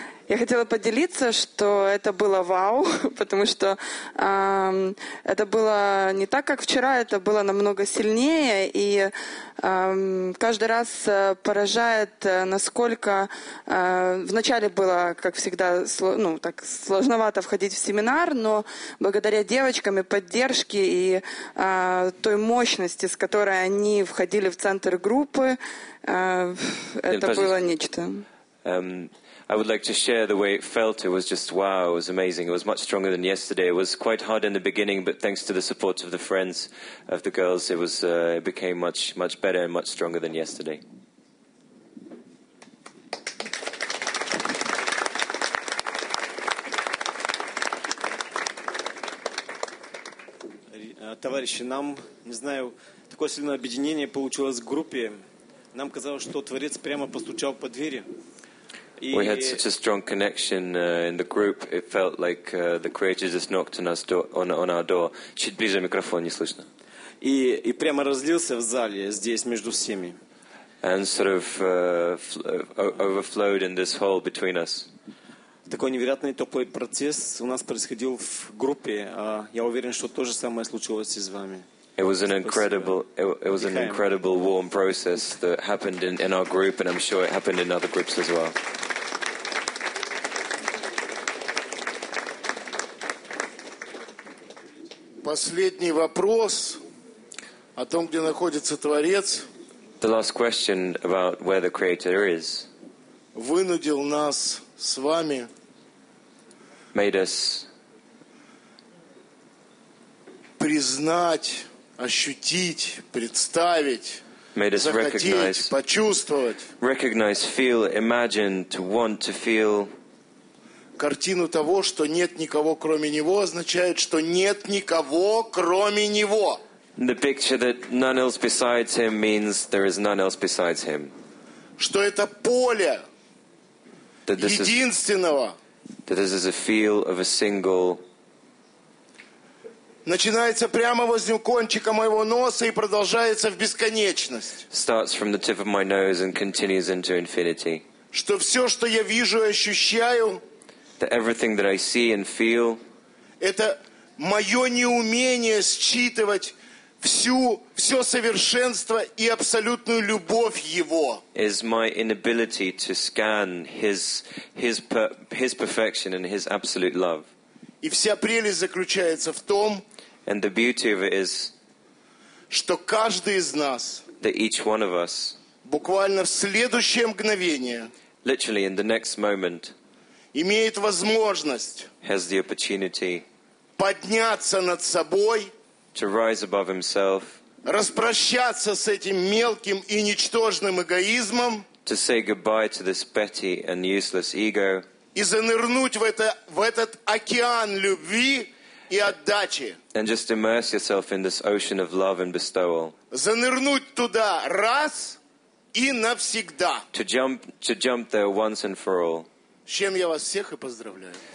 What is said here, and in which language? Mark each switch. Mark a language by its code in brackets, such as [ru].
[ru] Я хотела поделиться, что это было вау, потому что это было не так, как вчера, это было намного сильнее, и каждый раз поражает, насколько вначале было, как всегда, сложновато входить в семинар, но благодаря девочкам и поддержке, и той мощности, с которой они входили в центр группы, это было нечто. [en] I would like to share the way it felt. It was just wow, it was amazing. It was much stronger than yesterday. It was quite hard in the beginning, but thanks to the support of the friends of the girls, it was it became much, much better and much stronger than yesterday. [ru] Товарищи, нам, не знаю, такое сильное объединение получилось в группе. Нам казалось, что Творец прямо постучал по двери. [en] We had such a strong connection in the group. It felt like the Creator just knocked on, on our door. [ru] Чуть ближе микрофон, не слышно. И прямо разлился в зале здесь между всеми. [en] And sort of overflowed in this hall between us. [ru] Такой невероятный теплый процесс у нас происходил в группе. Я уверен, что то же самое случилось и с вами. [en] It was an incredible, it was an incredible warm process that happened in our group, and I'm sure it happened in other groups as well. [ru] Последний вопрос о том, где находится Творец. [en] The last question about where the Creator is. [ru] Вынудил нас с вами. [en] Made us. [ru] Признать. Ощутить, представить, захотеть, почувствовать. [en] Recognize, feel, imagine, to want, to feel. [ru] Картину того, что нет никого, кроме Него, означает, что нет никого, кроме Него. [en] The picture that none else besides Him means there is none else besides Him. [ru] Что это поле единственного. [en] That this is a field of a single. [ru] Начинается прямо возле кончика моего носа и продолжается в бесконечность. [en] Starts from the tip of my nose and continues into infinity. [ru] Что все, что я вижу и ощущаю, [en] that everything that I see and feel, [ru] это мое неумение считывать всю, все совершенство и абсолютную любовь Его. [en] Is my inability to scan His perfection and His absolute love. [ru] И вся прелесть заключается в том, [en] and the beauty of it is, [ru] что каждый из нас, [en] that each one of us, [ru] буквально в следующее мгновение, [en] literally in the next moment, [ru] имеет возможность, [en] has the opportunity, [ru] подняться над собой, [en] to rise above himself, [ru] распрощаться с этим мелким и ничтожным эгоизмом, [en] to say goodbye to this petty and useless ego, [ru] и занырнуть в этот океан любви и отдачи. [en] And just immerse yourself in this ocean of love and bestowal. [ru] Занырнуть туда раз и навсегда. [en] To jump there once and for all. [ru] С чем я вас всех и поздравляю.